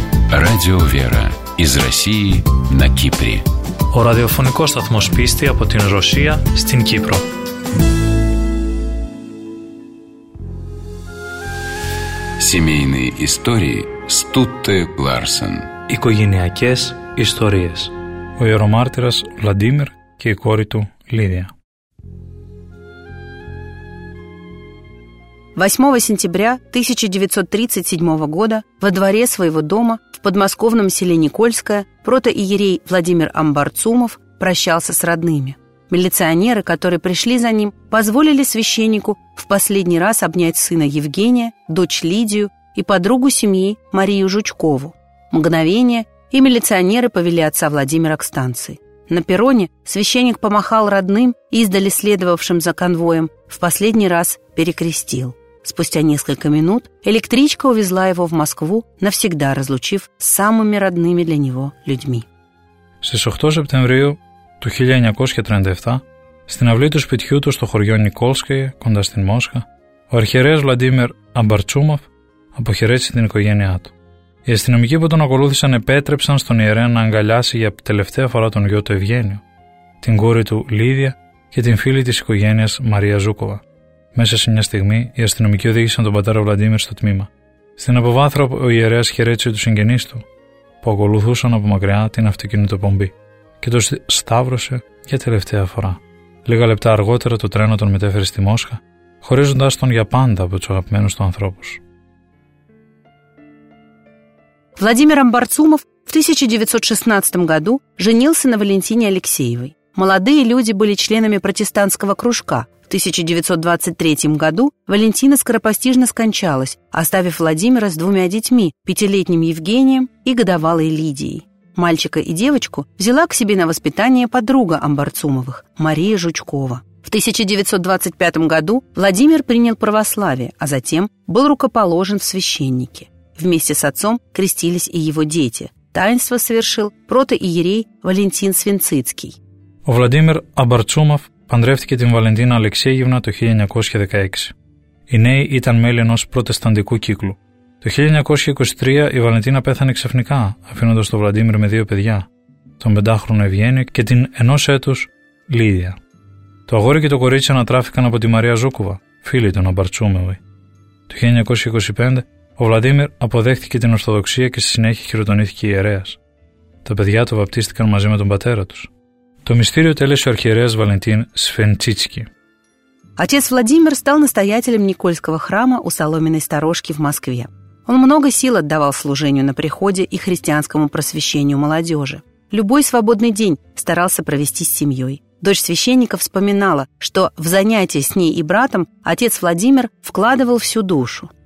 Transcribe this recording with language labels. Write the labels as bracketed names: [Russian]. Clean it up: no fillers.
[Russian] Радио Вера из России на Кипре. [Greek] О радиофонико сатмос писти апо тин Россия стин Кипро. [Russian] Семейные истории Стутте Ларсен. [Greek] Οικογενειακές ιστορίες. Ο ιερομάρτυρας Βλαντίμιρ και η κόρη του Λίδια. [Russian] 8 сентября 1937 года во дворе своего дома в подмосковном селе Никольское протоиерей Владимир Амбарцумов прощался с родными. Милиционеры, которые пришли за ним, позволили священнику в последний раз обнять сына Евгения, дочь Лидию и подругу семьи Марию Жучкову. Мгновение – и милиционеры повели отца Владимира к станции. На перроне священник помахал родным, издали следовавшим за конвоем, в последний раз перекрестил. Спустя несколько минут электричка увезла его в Москву, навсегда разлучив с самыми родными для него людьми. [Greek] Στις 8 Σεπτεμβρίου του 1937, στην αυλή του σπιτιού του στο χωριό Νικόλσκαιε, κοντά στην Μόσχα, ο αρχιερέας Βλαντίμιρ Αμπαρτσούμοφ αποχαιρέτησε την οικογένειά του. Οι αστυνομικοί που τον ακολούθησαν επέτρεψαν στον ιερέα να αγκαλιάσει για τελευταία φορά τον γιο του Ευγένιο, την κόρη του Λίδια και την φίλη της οικογένειας Μαρία Ζούκοβα. Μέσα σε μια στιγμή, οι αστυνομικοί οδήγησαν τον πατέρα Βλαντίμιρ στο τμήμα. Στην αποβάθρα, ο ιερέας χαιρέτησε τους συγγενείς του, που ακολουθούσαν από μακριά την αυτοκινητοπομπή, και τον σταύρωσε για τελευταία φορά. Λίγα λεπτά αργότερα, το τρένο τον μετέφερε στη Μόσχα, χωρίζοντας τον για πάντα από τους αγαπημένους του ανθρώπους. [Russian] Владимир Амбарцумов в 1916 году женился на Валентине Алексеевой. Молодые люди были членами протестантского кружка. В 1923 году Валентина скоропостижно скончалась, оставив Владимира с двумя детьми – пятилетним Евгением и годовалой Лидией. Мальчика и девочку взяла к себе на воспитание подруга Амбарцумовых – Мария Жучкова. В 1925 году Владимир принял православие, а затем был рукоположен в священники. Вместе с отцом крестились и его дети. Таинство совершил протоиерей Валентин Свинцицкий. [Greek] Владимир Абарчумов παντρεύτηκε την Βαλεντίνα Αλεξέγευνα το 1916. Οι νέοι ήταν μέλη ενός προτεσταντικού κύκλου. Το 1923 η Βαλεντίνα πέθανε ξαφνικά, αφήνοντας τον Βλαντίμιρ με δύο παιδιά, τον πεντάχρονο Ευγένιο και την ενός έτους Λίδια. Το αγόρι και το κορίτσι ανατράφηκαν από τη Μαρία Ζούκουβα, φίλη των Αμπαρτσούμεβοι. Το 1925 ο Βλαντίμιρ αποδέχτηκε την Ορθοδοξία και στη συνέχεια χειροτονήθηκε ιερέας. Τα παιδιά του βαπτίστηκαν μαζί με τον πατέρα τους. Το μυστήριο τέλεσε ο αρχιερέας Βαλεντίν Σφεντσίτσκι. [Russian] Отец Владимир стал настоятелем Никольского храма у Соломенной сторожки в Москве. Он много сил отдавал служению на приходе и христианскому просвещению молодежи. Любой свободный день старался провести с семьей. Дочь священника вспоминала, что в занятия с ней и братом отец Владимир вкладывал всю душу.